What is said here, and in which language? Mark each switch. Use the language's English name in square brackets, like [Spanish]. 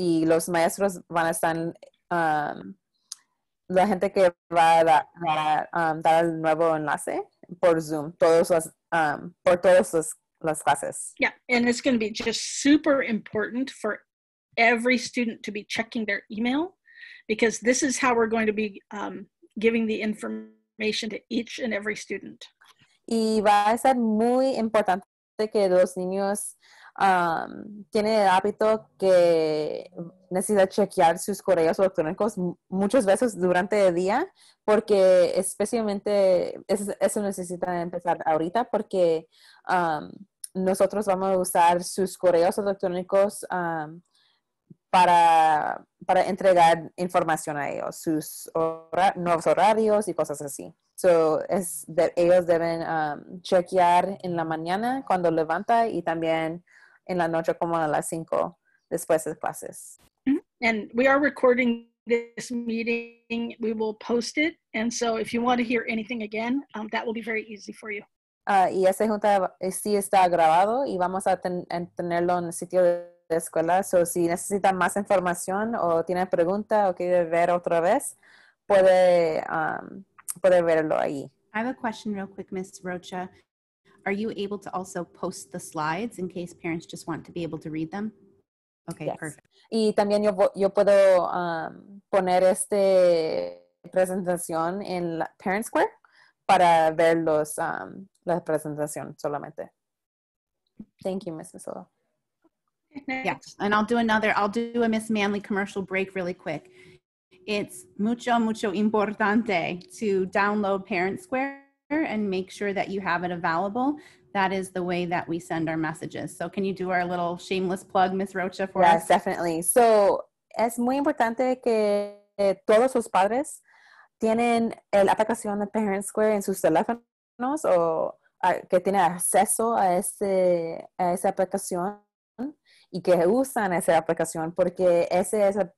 [Spanish] Y los maestros van a estar la gente que va a dar el nuevo enlace por Zoom, por todas las clases. [English] Yeah, and it's going to be just super important for every student to be checking their email, because this is how we're going to be giving the information to each and every student. [Spanish] Y va a ser muy importante que los niños tienen el hábito que necesita chequear sus correos electrónicos muchas veces durante el día, porque especialmente eso necesita empezar ahorita, porque nosotros vamos a usar sus correos electrónicos para entregar información a ellos, sus nuevos horarios y cosas así. So, ellos deben chequear en la mañana cuando levanta y también en la noche como a las 5 después de clases. [English] And we are recording this meeting. We will post it. And so if you want to hear anything again, that will be very easy for you. [Spanish] Y esa junta sí está grabado y vamos a tenerlo en el sitio de escuela. So, si necesita más información o tiene pregunta o quiere ver otra vez, puede verlo ahí. [English] I have a question real quick, Ms. Rocha. Are you able to also post the slides in case parents just want to be able to read them? Okay, yes. Perfect. [Spanish] Y también yo puedo poner esta presentación en Parent Square para ver la presentación solamente. [English] Thank you, Ms. Masola. Yeah, and I'll do a Ms. Manley commercial break really quick. It's [Spanish] mucho, mucho importante [English] to download Parent Square and make sure that you have it available. That is the way that we send our messages. So can you do our little shameless plug, Ms. Rocha, for yes, us? Yes, definitely. [Spanish] So es muy importante que todos sus padres tienen la aplicación de Parent Square en sus teléfonos o que tienen acceso a esa aplicación y que usan esa aplicación, porque ese es